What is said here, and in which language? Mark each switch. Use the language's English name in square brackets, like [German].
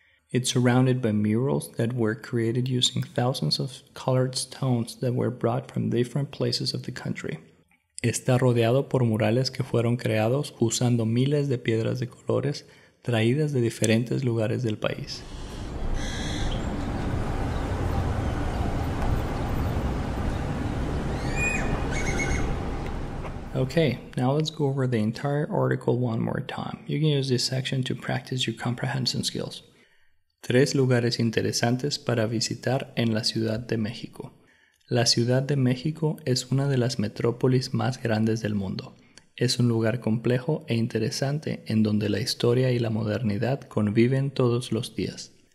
[English] It's surrounded by murals that were created using thousands of colored stones that were brought from different places of the country. [Spanish] Está rodeado por murales que fueron creados usando miles de piedras de colores traídas de diferentes lugares del país. [English] Okay, now let's go over the entire article one more time. You can use this section to practice your comprehension skills. [Spanish] Tres lugares interesantes para visitar en la Ciudad de México. La Ciudad de México es una de las metrópolis más grandes del mundo. Es un lugar complejo e interesante en donde la historia y la modernidad conviven todos los días.